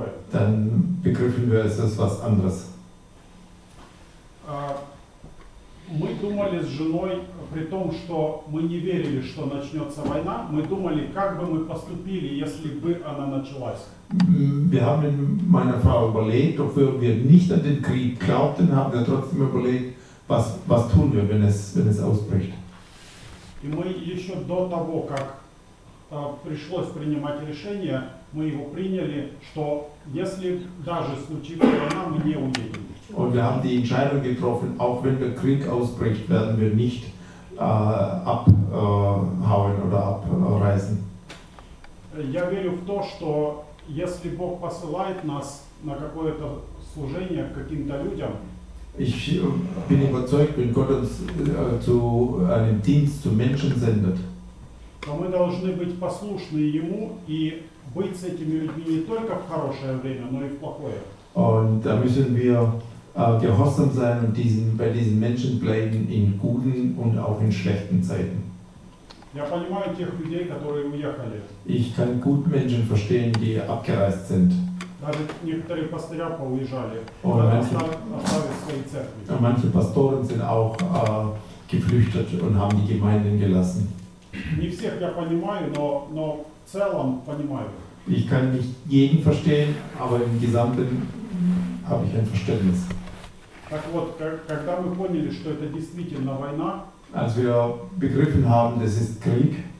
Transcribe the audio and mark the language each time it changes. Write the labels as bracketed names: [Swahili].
[German] Dann begriffen wir, es ist was anderes. [Russian] Мы думали с женой, при том, что мы не верили, что начнется война, мы думали, как бы мы поступили, если бы она началась. [German] Wir haben mit meiner Frau überlegt, obwohl wir nicht an den Krieg glaubten, haben wir trotzdem überlegt, was tun wir, wenn es ausbricht. [Russian] И мы еще до того, как пришлось принимать решение, мы его приняли, что если даже случится война, мы не уедем. [German] Und wir haben die Entscheidung getroffen, auch wenn der Krieg ausbricht, werden wir nicht abhauen oder abreisen. [Russian] Я верю в то, что если Бог посылает нас на какое-то служение каким-то людям, [German] ich bin überzeugt, wenn Gott uns zu einem Dienst zu Menschen sendet, [Russian] мы должны быть послушны ему и быть с этими людьми не только в хорошее время, но и в плохое. [German] Und da müssen wir gehorsam sein und bei diesen Menschen bleiben in guten und auch in schlechten Zeiten. [Russian] Я понимаю тех людей, которые уехали. [German] Ich kann gut Menschen verstehen, die abgereist sind. [Russian] Даже некоторые пастыря поуезжали, оставив свои церкви. [German] Manche Pastoren sind auch geflüchtet und haben die Gemeinden gelassen. [Russian] Не всех я понимаю, но в целом понимаю. [German] Ich kann nicht jeden verstehen, aber im Gesamten habe ich ein Verständnis. [Russian] Так вот, когда мы поняли, что это действительно война, [German] als wir begriffen haben, das ist Krieg,